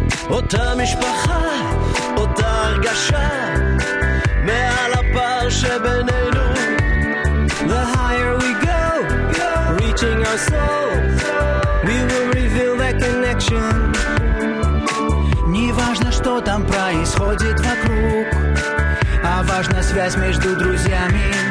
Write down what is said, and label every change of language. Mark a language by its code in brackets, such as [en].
[he] אותה משפחה, אותה הרגשה, מעל הפער שבינינו. [en] The higher we go, reaching our soul, we will reveal the connection. [ru] Неважно, что там происходит вокруг, а важна связь между друзьями.